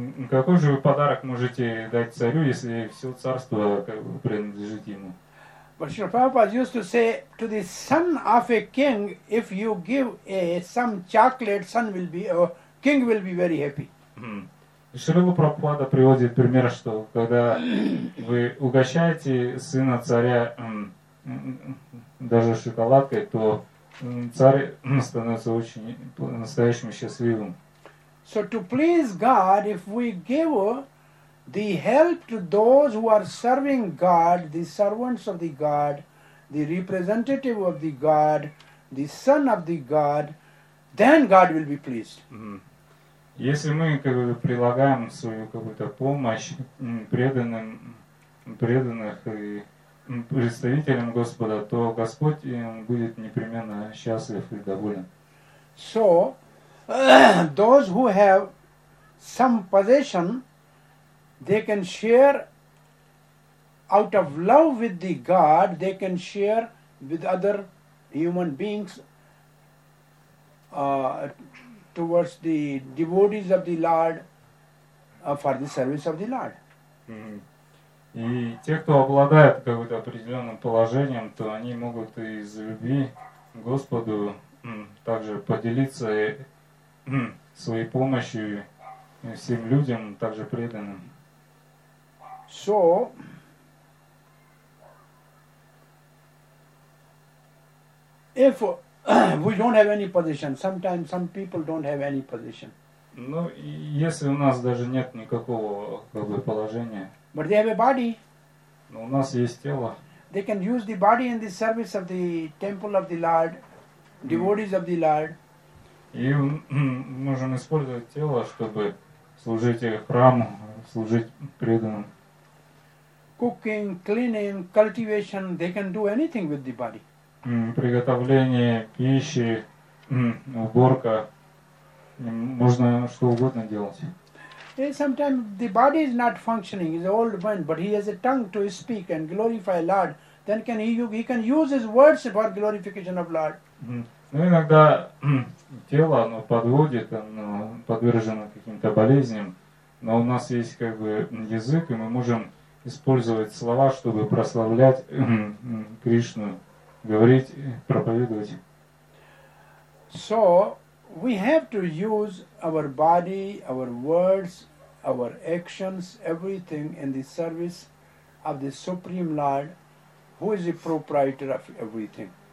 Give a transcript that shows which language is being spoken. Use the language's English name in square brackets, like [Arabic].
[Russian] Какой же вы подарок можете дать царю, если все царство принадлежит ему? [English] But Srila Prabhupada used to say to the son of a king, if you give some chocolate, son will be, or king will be very happy. [Russian] Шрила Прабхупада приводит пример, что когда вы угощаете сына царя даже шоколадкой, то царь становится очень настоящим счастливым. [English] So to please God, if we give the help to those who are serving God, the servants of the God, the representative of the God, the son of the God, then God will be pleased. [Russian] Если мы как бы прилагаем свою какую-то помощь преданным, преданных и представителям Господа, то Господь будет непременно счастлив и доволен. [English] So, those who have some possession, they can share out of love with the God, they can share with other human beings towards the devotees of the Lord for the service of the Lord. [Russian] И те, кто обладает каким-то определенным положением, то они могут из любви к Господу также поделиться своей помощью всем людям, также преданным. [English] So, if we don't have any position, sometimes some people don't have any position. [Russian] Ну, если у нас даже нет никакого как бы положения. [English] But they have a body. [Russian] Но у нас есть тело. [English] They can use the body in the service of the temple of the Lord, devotees of the Lord. [Russian] И мы можем использовать тело, чтобы служить храму, служить преданным. [English] Cooking, cleaning, cultivation, they can do anything with the body. [Russian] Приготовление пищи, уборка, можно что угодно делать. [English] Sometimes the body is not functioning, he's an old man, but he has a tongue to speak and glorify Lord. Then can he can use his words for glorification of Lord. [Russian] Ну, иногда тело, оно подводит, оно подвержено каким-то болезням, но у нас есть как бы язык, и мы можем использовать слова, чтобы прославлять Кришну, говорить, проповедовать. [English] So, we have to use our body, our words, our actions, everything in the service of the Supreme Lord, who is the proprietor of everything.